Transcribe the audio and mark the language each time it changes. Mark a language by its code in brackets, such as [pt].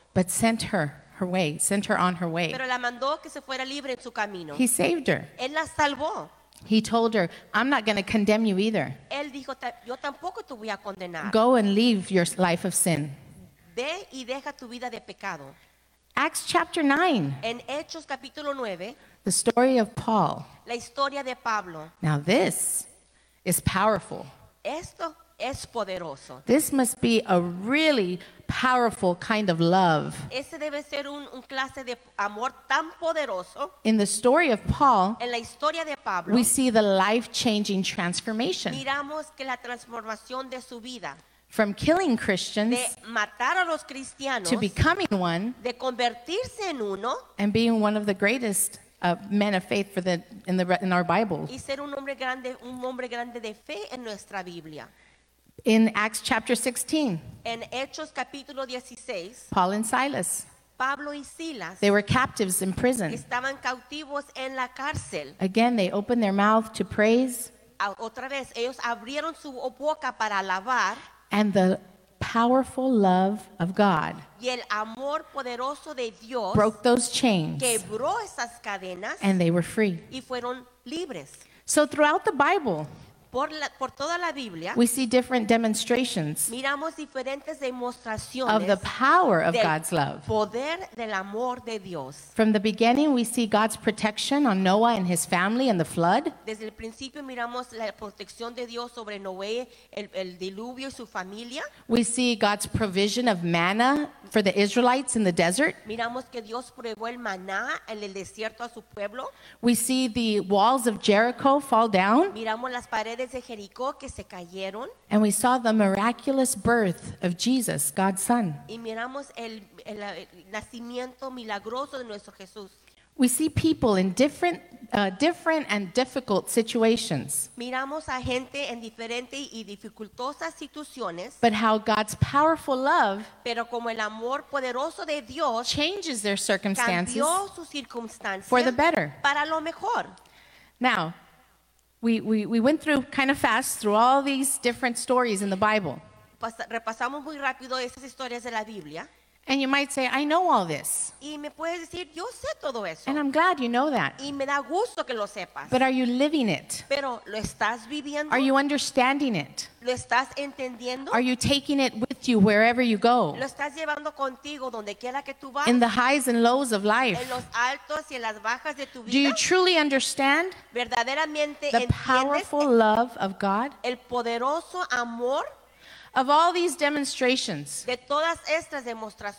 [en] But sent her her way, sent her on her way. [es] Pero la mandó que se fuera libre en su camino. [en] He saved her. [es] Él la salvó. [en] He told her, I'm not going to condemn you either. [es] Él dijo, yo tampoco te voy a condenar. [en] Go and leave your life of sin. [es] Ve y deja tu vida de pecado. [en] Acts chapter 9. [es] En Hechos capítulo 9. [en] The story of Paul. [es] La historia de Pablo. [en] Now this is powerful. [es] Esto es poderoso. [en] This must be a really powerful kind of love. [es] Ese debe ser un clase de amor tan poderoso. [en] In the story of Paul, [es] en la historia de Pablo, [en] we see the life-changing transformation. [es] Miramos que la transformación de su vida. [en] From killing Christians, [es] de matar a los cristianos, [en] to becoming one, [es] de convertirse en uno, [en] and being one of the greatest men of faith for in our Bible. [es] Y ser un hombre grande de fe en nuestra Biblia. [en] In Acts chapter 16. [es] En Hechos capítulo 16. [en] Paul and Silas. [es] Pablo y Silas. [en] They were captives in prison. [es] Estaban cautivos en la cárcel. [en] Again, they opened their mouth to praise. [es] Otra vez, ellos abrieron su boca para alabar. [en] And the powerful love of God. [es] Y el amor poderoso de Dios. [en] Broke those chains. [es] Quebró esas cadenas. [en] And they were free. [es] Y fueron libres. [en] So throughout the Bible. [es] Por toda la Biblia, [en] we see different demonstrations. [es] Miramos diferentes demostraciones [en] of the power of God's love. [es] Poder del amor de Dios. [en] From the beginning, we see God's protection on Noah and his family and the flood. [es] Desde el principio miramos la protección de Dios sobre Noé, el diluvio y su familia. [en] We see God's provision of manna for the Israelites in the desert. [es] Miramos que Dios probó el maná en el desierto a su pueblo. [en] We see the walls of Jericho fall down. [es] Miramos las paredes de Jericó que se cayeron. [en] And we saw the miraculous birth of Jesus, God's son. [es] Y miramos el nacimiento milagroso de nuestro Jesús. [en] We see people in different and difficult situations. [es] Miramos a gente en diferentes y dificultosas situaciones. [en] But how God's powerful love, [es] pero como el amor poderoso de Dios, [en] changes their circumstances, [es] cambió sus circunstancias [en] for the better. [es] Para lo mejor. [en] Now, We went through kind of fast through all these different stories in the Bible. [es] Repasamos muy rápido esas historias de la Biblia. [en] And you might say, I know all this. [es] Y me puedes decir, yo sé todo eso. [en] And I'm glad you know that. [es] Y me da gusto que lo sepas. [en] But are you living it? [es] Pero lo estás viviendo. [en] Are you understanding it? [es] Lo estás entendiendo. [en] Are you taking it with you wherever you go? [es] Lo estás llevando contigo donde quiera que tú vas. [en] In the highs and lows of life. [es] En los altos y en las bajas de tu vida. [en] Do you truly understand? [es] Verdaderamente [en] the powerful love of God? [es] El poderoso amor. [en] Of all these demonstrations [es] de todas estas demostraciones